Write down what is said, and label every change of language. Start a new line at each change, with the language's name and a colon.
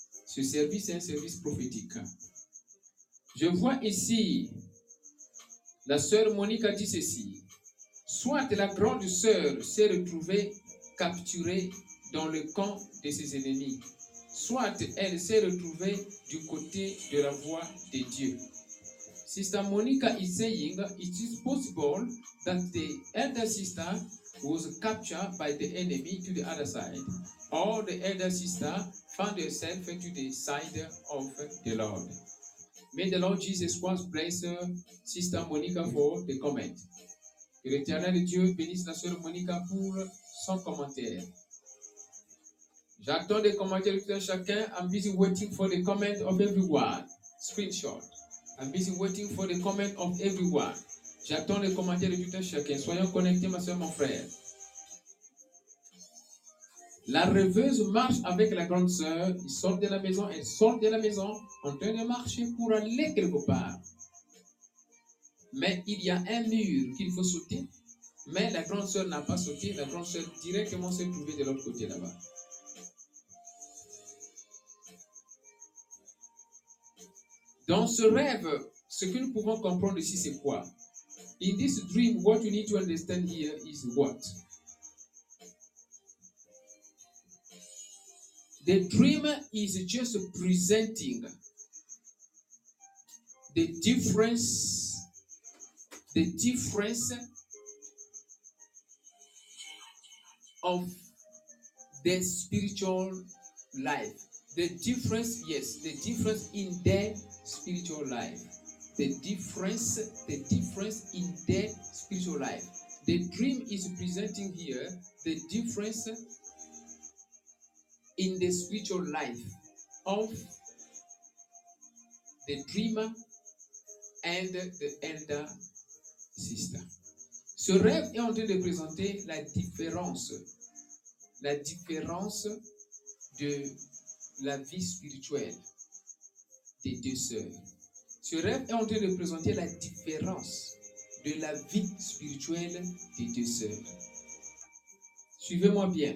French: Ce service est un service prophétique. Je vois ici, la sœur Monique a dit ceci. Soit la grande sœur s'est retrouvée capturée dans le camp de ses ennemis. Soit elle s'est retrouvée du côté de la voie de Dieu.
English: Sister Monica is saying it is possible that the elder sister was captured by the enemy to the other side, or the elder sister found herself to the side of the Lord. May the Lord Jesus Christ bless Sister Monica for the comment.
French: Que l'Éternel Dieu bénisse la sœur Monica pour son commentaire. J'attends des commentaires de chacun.
English: I'm busy waiting for the comment of everyone. Screenshot. I'm busy waiting for the comment of everyone.
French: J'attends les commentaires de tout un chacun. Soyons connectés, ma soeur, mon frère. La rêveuse marche avec la grande soeur. Ils sortent de la maison. Elle sort de la maison en train de marcher pour aller quelque part. Mais il y a un mur qu'il faut sauter. Mais la grande soeur n'a pas sauté. La grande soeur directement s'est trouvée de l'autre côté là-bas. Dans ce rêve, ce que nous pouvons comprendre ici, c'est quoi?
English: In this dream, what you need to understand here is what? The dream is just presenting the difference of the spiritual life. The difference in the spiritual life. The difference in their spiritual life. The dream is presenting here the difference in the spiritual life of the dreamer and the elder sister.
French: Ce rêve est en train de présenter la différence de la vie spirituelle des deux sœurs. Ce rêve est en train de présenter la différence de la vie spirituelle des deux sœurs. Suivez-moi bien.